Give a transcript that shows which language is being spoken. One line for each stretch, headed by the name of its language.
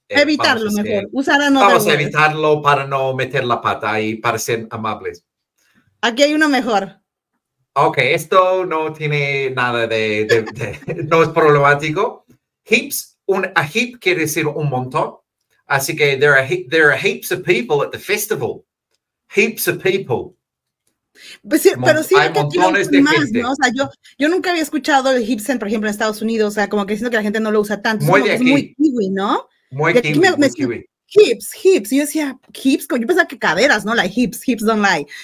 Spanish: evitarlo mejor. Vamos a evitarlo para no meter la pata y para ser amables. Aquí hay uno mejor. Ok, esto no tiene nada de no es problemático. Heaps, a heap quiere decir un montón. Así que
English: there are heaps of people at the festival. Heaps of people.
Spanish: Pues sí, pero sí, hay montones de más, gente. ¿No? O sea, yo nunca había escuchado el heaps, por ejemplo, en Estados Unidos. O sea, como que siento que la gente no lo usa tanto. Muy de aquí. Es muy kiwi, ¿no? Muy kiwi, muy kiwi.
English: Hips.
Spanish: Yo decía, hips, yo pensaba que caderas, ¿no?
English: Like, hips don't lie.